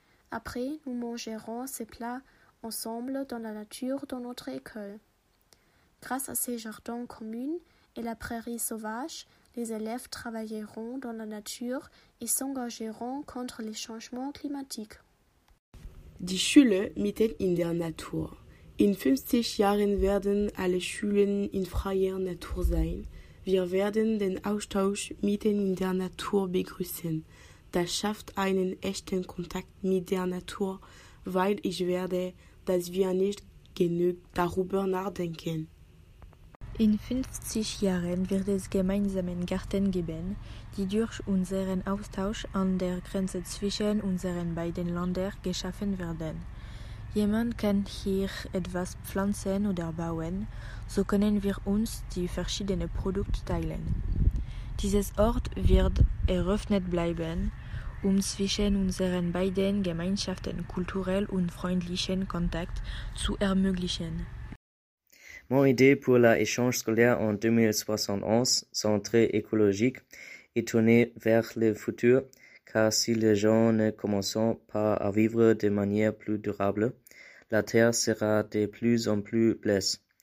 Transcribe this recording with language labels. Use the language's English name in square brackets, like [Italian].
[French] Après, nous mangerons ces plats ensemble dans la nature de notre école. Grâce à ces jardins communs et la prairie sauvage, les élèves travailleront dans la nature et s'engageront contre les changements climatiques. [German] Die Schule mitten in der Natur. In 50 Jahren werden alle Schulen in freier Natur sein. Wir werden den Austausch mitten in der Natur begrüßen. Das schafft einen echten Kontakt mit der Natur, weil ich werde, dass wir nicht genug darüber nachdenken. In 50 Jahren wird es gemeinsamen Garten geben, die durch unseren Austausch an der Grenze zwischen unseren beiden Ländern geschaffen werden. Jemand kann hier etwas pflanzen oder bauen, so können wir uns die verschiedenen Produkte teilen. Dieses Ort wird eröffnet bleiben, um zwischen unseren beiden Gemeinschaften kulturell und freundlichen Kontakt zu ermöglichen. [French] Mon idée pour l'échange scolaire en 2071 sont très écologiques et tournées vers le futur, car si les gens ne commencent pas à vivre de manière plus durable, la terre sera de plus en plus blesse.